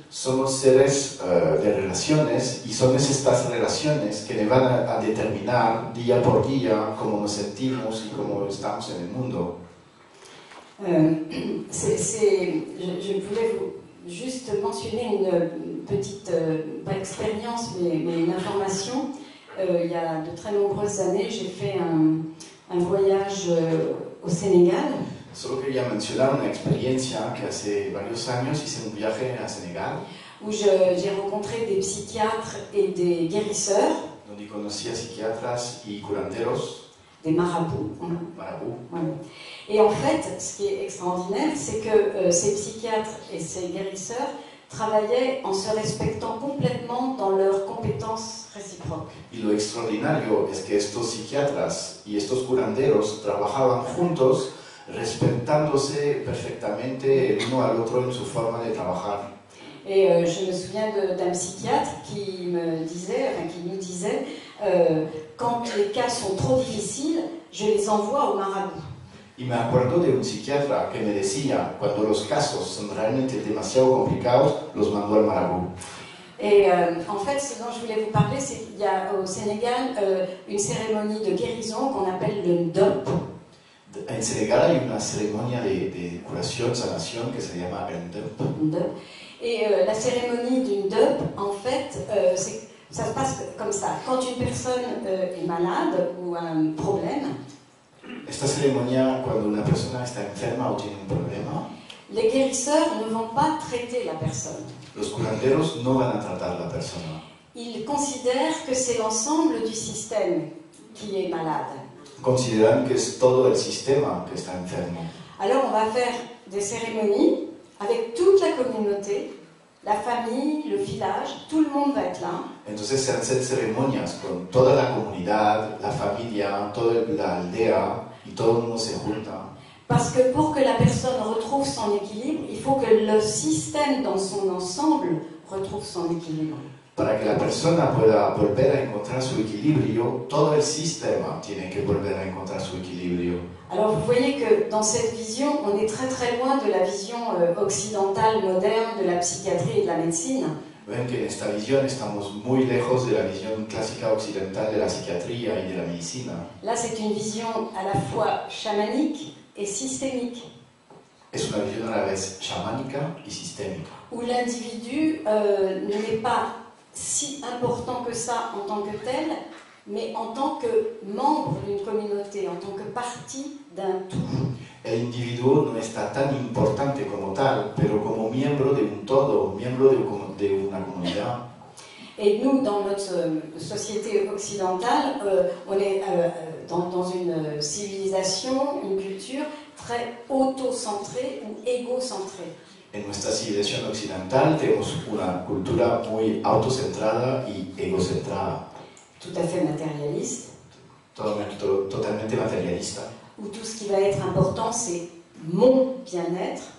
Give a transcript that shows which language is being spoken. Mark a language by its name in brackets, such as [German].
[Spanish] Somos seres de relaciones y son estas relaciones que nos van a determinar día por día cómo nos sentimos y cómo estamos en el mundo. [French] Je voulais vous juste mentionner une petite pas expérience mais une information. Il y a de très nombreuses années, j'ai fait un voyage au Sénégal. [Spanish] Solo quería mencionar una experiencia que hace varios años hice un viaje a Senegal. [French] Où j'ai rencontré des psychiatres et des guérisseurs. [Spanish] Donde conocí a psiquiatras y curanderos. [French] Des marabouts. [Spanish] Marabouts. [French] Voilà. Et en fait, ce qui est extraordinaire, c'est que ces psychiatres et ces guérisseurs travaillaient en se respectant complètement dans leurs compétences réciproques. [Spanish] Y lo extraordinario es que estos psiquiatras y estos curanderos trabajaban juntos respectándose perfectamente el uno al otro en su forma de trabajar. [French] Et je me souviens d'un psychiatre qui me disait, enfin qui nous disait, quand les cas sont trop difficiles, je les envoie au marabout. [Spanish] Y me acuerdo de un psiquiatra que me decía, cuando los casos son realmente demasiado complicados, los mando al marabout. [French] Et en fait, ce dont je voulais vous parler, c'est qu'il y a au Sénégal une cérémonie de guérison qu'on appelle le NDOP. [Spanish] En Senegal hay una ceremonia de curación, sanación, que se llama NDOP. NDOP. [French] Et la cérémonie du NDOP, en fait, ça se passe comme ça. Quand une personne est malade ou a un problème, [Spanish] esta ceremonia cuando una persona está enferma o tiene un problema. [French] Les guérisseurs ne vont pas traiter la personne. [Spanish] Los curanderos no van a tratar la persona. [French] Ils considèrent que c'est l'ensemble du système qui est malade. [Spanish] Consideran que es todo el sistema que está enfermo. [French] Alors on va faire des cérémonies avec toute la communauté, la famille, le village, tout le monde va être là. [Spanish] Entonces se hacen ceremonias con toda la comunidad, la familia, toda la aldea y todo el mundo se junta. [French] Parce que pour que la personne retrouve son équilibre, il faut que le système dans son ensemble retrouve son équilibre. [Spanish] Para que la persona pueda volver a encontrar su equilibrio, todo el sistema tiene que volver a encontrar su equilibrio. [French] Alors vous voyez que dans cette vision, on est très très loin de la vision occidentale moderne de la psychiatrie et de la médecine. [Spanish] Ven que en esta visión estamos muy lejos de la visión clásica occidental de la psiquiatría y de la medicina. [French] Là, c'est une vision à la fois chamanique et systémique. [Spanish] Es una visión a la vez chamánica y sistémica. [French] Où l'individu n'est pas si important que ça en tant que tel, mais en tant que membre d'une communauté, en tant que partie d'un tout. [Spanish] El individuo no está tan importante como tal, pero como miembro de un todo, miembro de una comunidad. [French] Et nous, dans notre société occidentale, on est dans une civilisation, une culture très auto-centrée ou égocentrée. [Spanish] En nuestra civilización occidental tenemos una cultura muy autocentrada y egocentrada. [French] Tout à fait matérialiste. [Spanish] Totalmente materialista. [French] Où tout ce qui va être important, c'est mon bien-être.